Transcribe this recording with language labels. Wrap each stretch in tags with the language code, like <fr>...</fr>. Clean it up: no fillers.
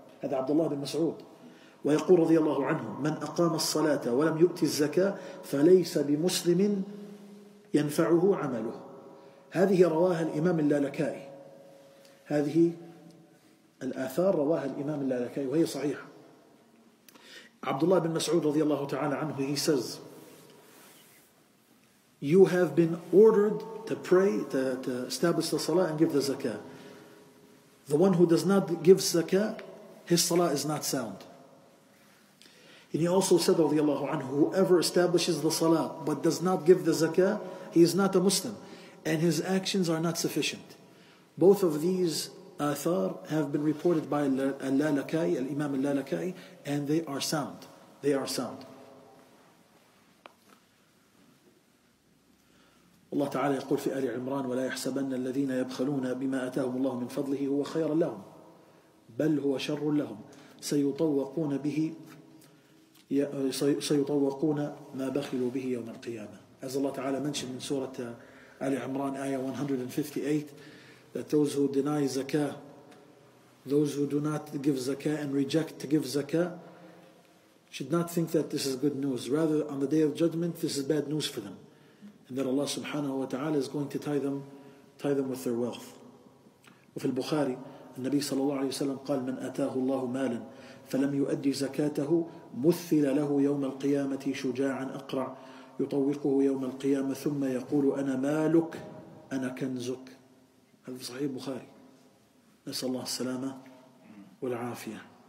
<ar>هذا عبد الله بن مسعود، ويقول رضي الله عنه: من أقام الصلاة ولم يؤتي الزكاة فليس بمسلم ينفعه عمله. هذه رواها الإمام اللالكائي، هذه الآثار رواها الإمام اللالكائي وهي صحيحة.</ar> <en>عبد الله بن مسعود</en> <ar>رضي الله تعالى عنه،</ar> <en>he says you have been ordered to pray, to establish the salah and give the zakah. The one who does not give zakah, his salah is not sound. And he also said</en> <ar>رضي الله عنه,</ar> <en>whoever establishes the salah but does not give the zakah, he is not a Muslim and his actions are not sufficient. Both of these آثار have been reported by اللالكائي, الإمام اللالكائي, and they are sound. They are sound.</en> <ar>الله تعالى يقول في آل عمران: ولا يحسبن الذين يبخلون بما آتاهم الله من فضله هو خيرا لهم بل هو شر لهم سيطوقون به سيطوقون ما بخلوا به يوم القيامة.</ar> <en>As Allah تعالى mentioned in سورة آل عمران آية 158, that those who deny zakah, those who do not give zakah and reject to give zakah, should not think that this is good news. Rather, on the day of judgment, this is bad news for them, and that Allah subhanahu wa ta'ala is going to tie them with their wealth.</en> <ar>وفي البخاري النبي صلى الله عليه وسلم قال: من أتاه الله مالا فلم يؤدي زكاته مثل له يوم القيامة شجاعا أقرع يطوقه يوم القيامة ثم يقول أنا مالك أنا كنزك. هذا صحيح البخاري، نسأل الله السلامة والعافية.</ar>